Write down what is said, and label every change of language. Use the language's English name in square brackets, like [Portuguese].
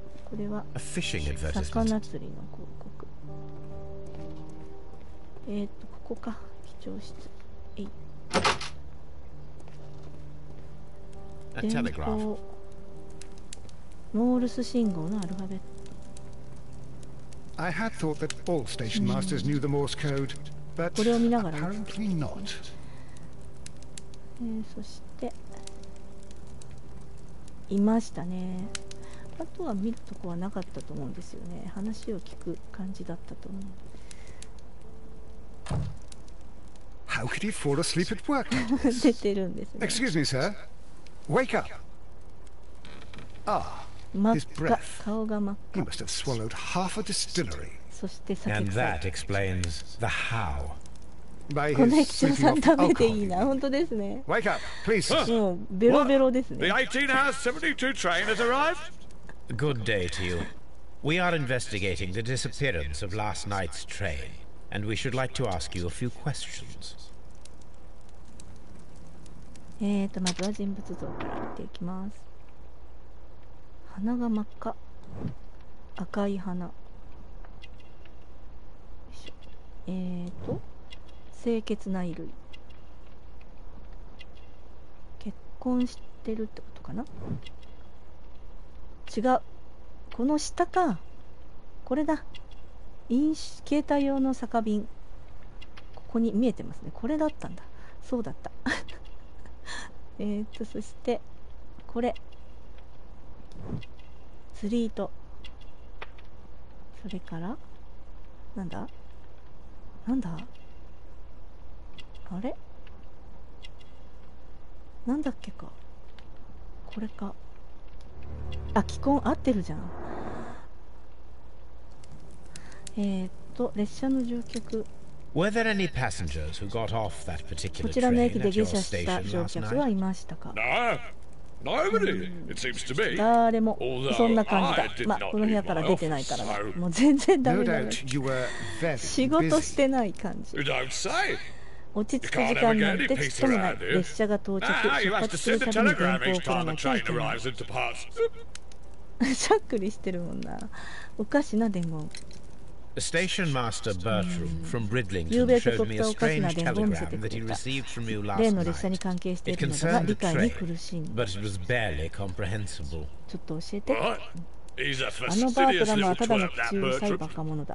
[Japanese] これは魚釣りの広告。ここか、貴重室。えい。電報、モールス信号のアルファベット。 [English] I had thought that all station masters knew the Morse code, but apparently not. [Japanese] そしていましたね。あとは見るとこはなかったと思うんですよね。話を聞く感じだったと思う。 [English] How could he fall asleep at work? [Japanese] 出てるんですね。 [English] Excuse me, sir. Wake up. Ah. His breath. He must have swallowed half a distillery. And that explains the how. By his sleeping off alcohol. [Japanese] この駅長さん食べていいな。本当ですね。 [English] Wake up, please. [Japanese] ベロベロですね。 [English] The 18:72 train has arrived. Good day to you. We are investigating the disappearance of last night's train, and we should like to ask you a few questions. [Japanese] まずは人物像から見ていきます。花が真っ赤、赤い花。清潔な衣類。結婚してるってことかな？違う、この下か。これだ。携帯用の酒瓶。ここに見えてますね。これだったんだ。そうだった。そしてこれ。釣り糸、それからなんだなんだ、あれなんだっけか、これか。あ、気根合ってるじゃん。列車の乗客。 [English] Were there any passengers who got off that particular train at your station last night? [Japanese] こちらの駅で下車した乗客はいましたか？ [English] Nobody, it seems to me. [Japanese] 誰も、そんな感じだ。まあ、この部屋から出てないからね。もう全然ダメなの。仕事してない感じ。落ち着く時間なんてちっともない。列車が到着、出発するたびに電報を送らなきゃいけない。しゃっくりしてるもんな。おかしな伝言。 [English] Station Master Bertram from Bridlington showed me a strange telegram that he received from you last night. It concerned the train, but it was barely comprehensible. [Japanese] ちょっと教えて。 [English] What? He's a fastidious little chap, that Bertram.